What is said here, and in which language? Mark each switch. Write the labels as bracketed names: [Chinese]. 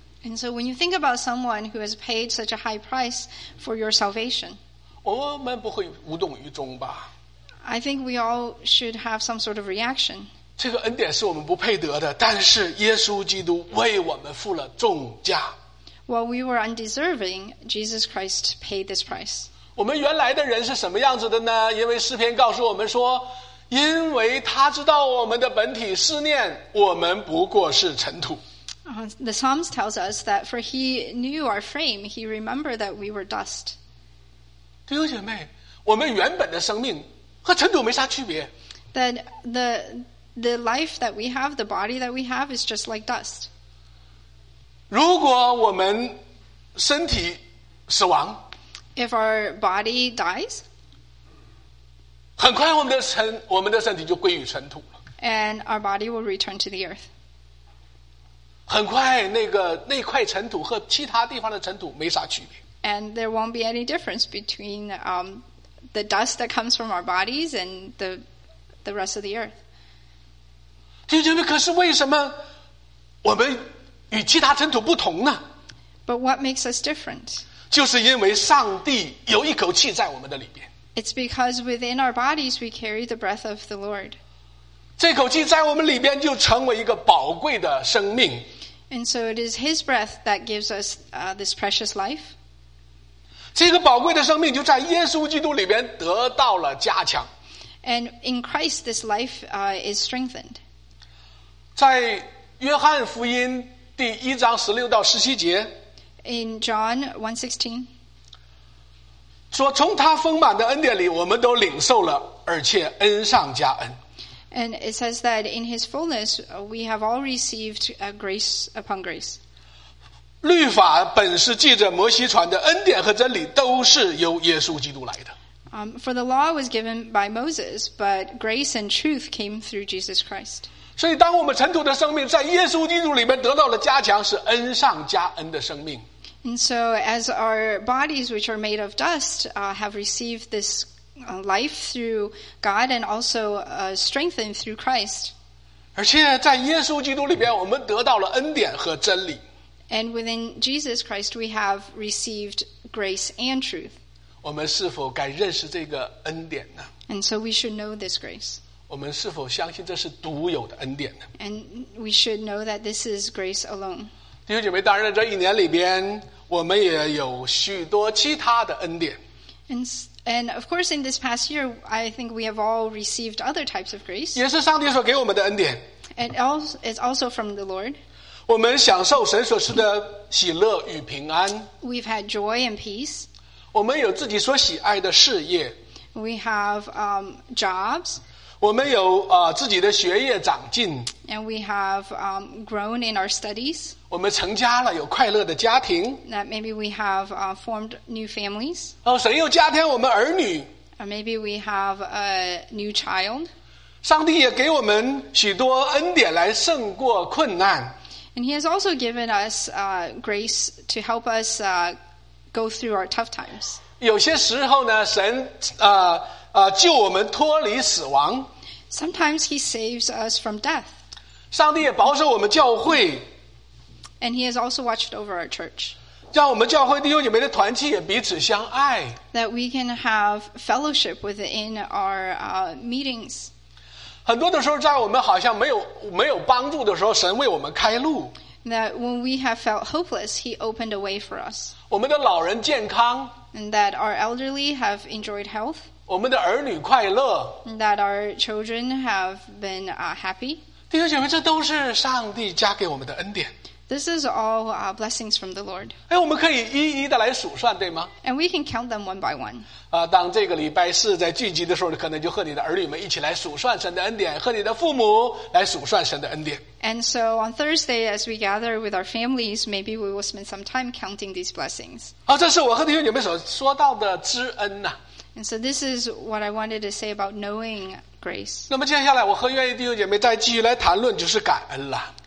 [English] And so when you think about someone who has paid such a high price for your salvation. [Chinese] 我们不会无动于衷吧 [English] ？I think we all should have some sort of reaction. [Chinese] 这个恩典是我们不配得的，但是耶稣基督为我们付了重价。 [English] Well, we were undeserving. Jesus Christ paid this price. [Chinese] 我们原来的人是什么样子的呢？因为诗篇告诉我们说，因为他知道我们的本体思念，我们不过是尘土。 [English] The Psalms tells us that for he knew our frame, he remembered that we were dust. [Chinese] 弟兄姐妹，我们原本的生命和尘土没啥区别。 [English] That the life that we have, the body that we have, is just like dust. [Chinese] 如果我们身体死亡 [English] ，If our body dies, [Chinese] 很快我们的身体就归于尘土了。 [English] And our body will return to the earth. [Chinese] 很快那块尘土和其他地方的尘土没啥区别。 [English] And there won't be any difference between the dust that comes from our bodies and the rest of the earth. [Chinese] 弟兄姐妹，可是为什么我们与其他尘土不同呢？ [English] But what makes us different? [Chinese] 就是因为上帝有一口气在我们的里边。 [English] It's because within our bodies we carry the breath of the Lord. [Chinese] 这口气在我们里边就成为一个宝贵的生命。 [English] And so it is His breath that gives us this precious life. [Chinese] 这个宝贵的生命就在耶稣基督里边得到了加强。 [English] And in Christ, this life is strengthened. [Chinese] 在约翰福音第一章十六到十七节。 [English] In John 1:16. [Chinese] 说从他丰满的恩典里，我们都领受了，而且恩上加恩。 [English] And it says that in his fullness, we have all received grace upon grace. [Chinese] 律法本是借着摩西传的，恩典和真理都是由耶稣基督来的。 [English] For the law was given by Moses, but grace and truth came through Jesus Christ. [Chinese] 所以当我们尘土的生命在耶稣基督里面得到了加强，是恩上加恩的生命。 [English] And so as our bodies, which are made of dust, have received this life through God and also strengthened through Christ. [Chinese] 而且在耶稣基督里面我们得到了恩典和真理。 [English] And within Jesus Christ, we have received grace and truth. [Chinese] 我们是否该认识这个恩典呢？ [English] And so we should know this grace. [Chinese] 我们是否相信这是独有的恩典呢？ [English] And we should know that this is grace alone. [Chinese] 弟兄姐妹，当然这一年里边我们也有许多其他的恩典。 [English] And of course, in this past year, I think we have all received other types of grace. [Chinese] 也是上帝所给我们的恩典。 [English] And it's also from the Lord. [Chinese] 我们享受神所赐的喜乐与平安。 [English] We've had joy and peace. [Chinese] 我们有自己所喜爱的事业。 [English] We have jobs. [Chinese] 我们有自己的学业长进。 [English] And we have grown in our studies. [Chinese] 我们成家了，有快乐的家庭。 [English] That maybe we have formed new families. [Chinese] 哦，神又加添我们儿女。 [English] Or maybe we have a new child. [Chinese] 上帝也给我们许多恩典来胜过困难。 [English] And he has also given us grace to help us go through our tough times. [Chinese] 有些时候呢，神救我们脱离死亡。 [English] Sometimes he saves us from death. [Chinese] 上帝也保守我们教会。 [English] And he has also watched over our church. [Chinese] 让我们教会弟兄姐妹的团契也彼此相爱。 [English] That we can have fellowship within our meetings. [Chinese] 很多的时候在我们好像没有帮助的时候，神为我们开路。 [English] That when we have felt hopeless, he opened a way for us. [Chinese] 我们的老人健康。 [English] And that our elderly have enjoyed health. [Chinese] 我们的儿女快乐。 [English] And that our children have been happy. [Chinese] 弟兄姐妹，这都是上帝加给我们的恩典。 [English] This is all blessings from the Lord. [Chinese] 哎，我们可以一一的来数算，对吗？ [English] And we can count them one by one. [Chinese] 当这个礼拜四在聚集的时候，可能就和你的儿女们一起来数算神的恩典，和你的父母来数算神的恩典。 [English] And so on Thursday, as we gather with our families, maybe we will spend some time counting these blessings. [Chinese] 这是我和弟兄姐妹所说到的知恩呐。 [English] And so this is what I wanted to say about knowing grace. [Chinese] 那么接下来，我和愿意弟兄姐妹再继续来谈论就是感恩了。